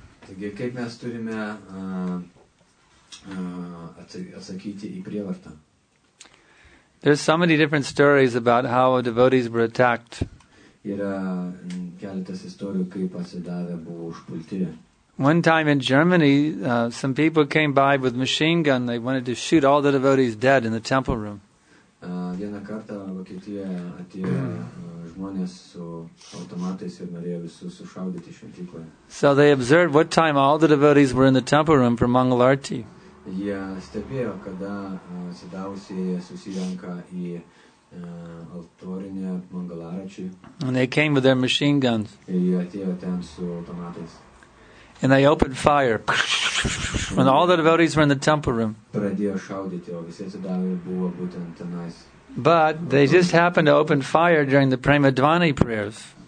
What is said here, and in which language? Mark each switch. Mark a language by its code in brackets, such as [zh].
[lt] Kaip mes turime atsakyti į prievartą? [en] There's so many different stories about how devotees were attacked. [lt] Yra keletas istorijų, kaip atsidavę buvo užpulti. [en] One time in Germany, some people came by with machine gun. They wanted to shoot all the devotees dead in the temple room. [lt] Vieną kartą Vokietijoje atėjo žmonės su automatais ir norėjo visus sušaudyti šventykloje. [en] So they observed what time all the devotees were in the temple room for Mangal Arti. [lt] Jie stebėjo, kada atsidavusieji susirenka į altorinę Mangalarčiui. [en] And they came with their machine guns. [lt] Ir jie atėjo ten su automatais. [en] And they opened fire when all the devotees were in the temple room. But they just happened to open fire during the Prema Dvani prayers.